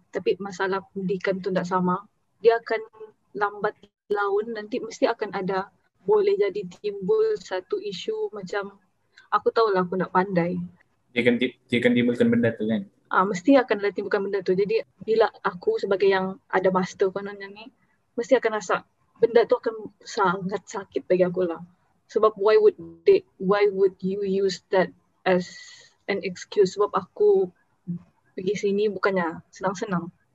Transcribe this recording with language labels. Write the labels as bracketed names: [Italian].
[Malay] Tapi masalah pendidikan tu tak sama, dia akan lambat laun, nanti mesti akan ada, boleh jadi timbul satu isu macam, aku tahulah aku nak pandai. Dia akan timbulkan benda tu kan? Mesti akan ada timbulkan benda tu. Jadi bila aku sebagai yang ada master kononnya ni, mesti akan rasa benda tu akan sangat sakit bagi aku lah. Sebab [English] why would you use that as an excuse? [Malay] Sebab aku pergi sini bukannya senang-senang.